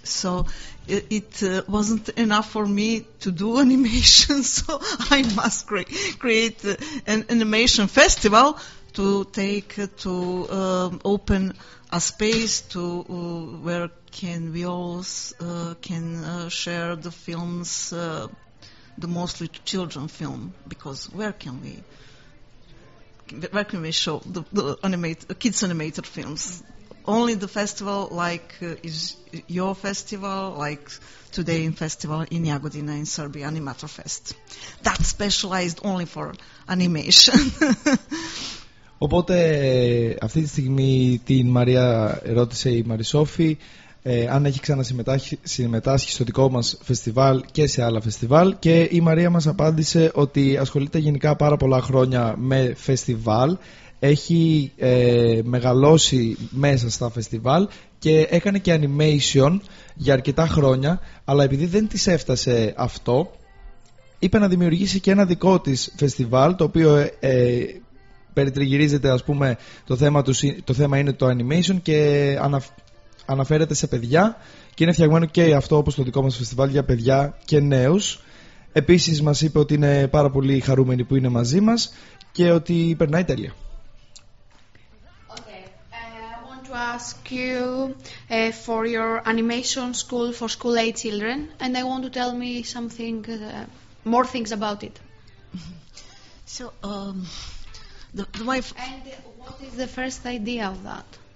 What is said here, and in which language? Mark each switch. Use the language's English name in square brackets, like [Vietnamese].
[English] So it wasn't enough for me to do animation, so I must create an animation festival to take to open a space to where can we all can share the films, the mostly children film, because where can we show the kids animated films? Only the festival like is your festival, like today in festival in Jagodina in Serbia, Animator Fest, that's specialized only for animation. [Greek] Οπότε αυτή τη στιγμή την Μαρία ρώτησε η Μαρισόφη αν έχει ξανασυμμετάσχει στο δικό μας φεστιβάλ και σε άλλα φεστιβάλ, και η Μαρία μας απάντησε ότι ασχολείται γενικά πάρα πολλά χρόνια με φεστιβάλ, έχει μεγαλώσει μέσα στα φεστιβάλ και έκανε και animation για αρκετά χρόνια, αλλά επειδή δεν της έφτασε αυτό, είπε να δημιουργήσει και ένα δικό της φεστιβάλ, το οποίο περιτριγυρίζεται, ας πούμε, το θέμα είναι το animation και αναφέρεται σε παιδιά, και είναι φτιαγμένο και αυτό όπως το δικό μας φεστιβάλ για παιδιά και νέους. Επίσης μας είπε ότι είναι πάρα πολύ χαρούμενη που είναι μαζί μας και ότι περνάει τέλεια. [English] Okay. I want to ask you for your animation school for school age children, and I want to tell me something more things about it. So And what is the first idea of that?